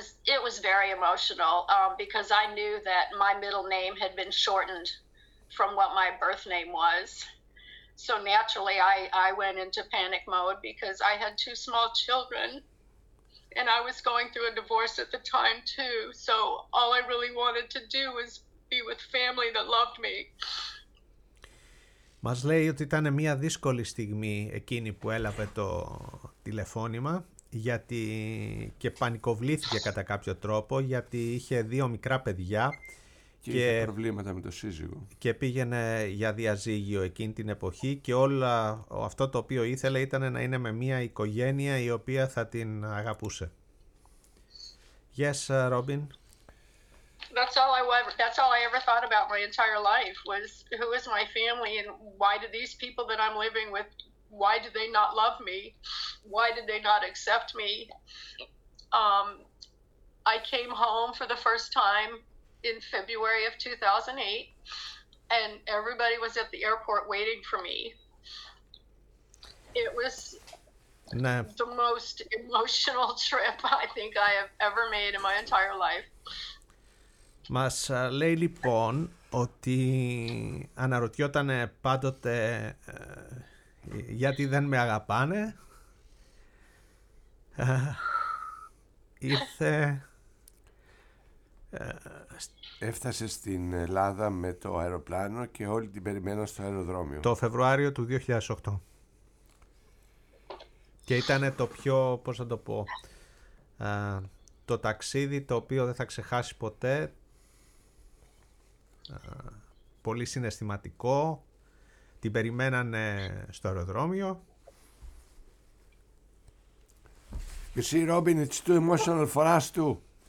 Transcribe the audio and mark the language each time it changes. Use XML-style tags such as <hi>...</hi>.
<en>It was very emotional because I knew that my middle name had been shortened from what my birth name was. So naturally I went into panic mode because I had two small children and I was going through a divorce at the time too. So all I really wanted to do was be with family that loved me.</en> <el>Μας λέει ότι ήταν μια δύσκολη στιγμή εκείνη που έλαβε το τηλεφώνημα, γιατί και πανικοβλήθηκε κατά κάποιο τρόπο, γιατί είχε δύο μικρά παιδιά και είχε προβλήματα με το σύζυγο και πήγαινε για διαζύγιο εκείνη την εποχή, και όλα αυτό το οποίο ήθελε ήταν να είναι με μια οικογένεια η οποία θα την αγαπούσε.</el> <en>Yes, Robin. That's all I ever thought about my entire life was who is my family and why do these people that I'm living with, why do they not love me, why did they not accept me. I came home for the first time in February of 2008 and everybody was at the airport waiting for me. It was the most emotional trip I think I have ever made in my entire life.</en> <el>Μας λέει λοιπόν ότι αναρωτιότανε πάντοτε γιατί δεν με αγαπάνε. Ήρθε. Έφτασε στην Ελλάδα με το αεροπλάνο και όλοι την περιμέναν στο αεροδρόμιο. Το Φεβρουάριο του 2008. Και ήταν το πιο, πώς θα το πω, το ταξίδι το οποίο δεν θα ξεχάσει ποτέ. Πολύ συναισθηματικό. Την περιμένανε στο αεροδρόμιο.</el> <en>You see, Robin, it's too emotional for us too.</en>